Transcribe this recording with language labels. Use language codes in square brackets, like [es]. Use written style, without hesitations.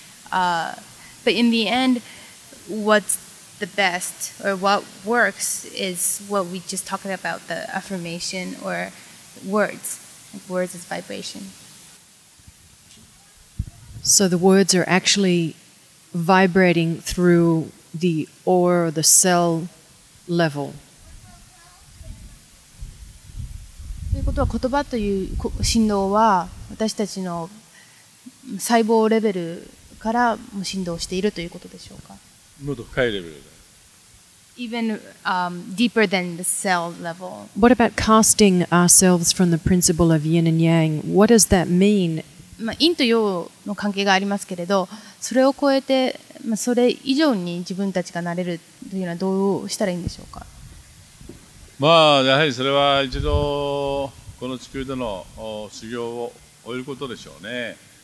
[en] But in the end, what's the best or what works is what we just talked about, the affirmation or words. Words is vibration. So the words are actually vibrating through the aura or the cell level. [ja] ということは、言葉という振動は私たちの細胞レベルから振動しているということでしょうか。もっと深いレベルだ。 [en] Even deeper than the cell level. What about casting ourselves from the principle of yin and yang? What does that mean? [ja] まあ、陰と陽の関係がありますけれど、それを超えて、まあ、それ以上に自分たちがなれるというのはどうしたらいいんでしょうか。まあ、やはりそれは一度この地球での修行を終えることでしょうね。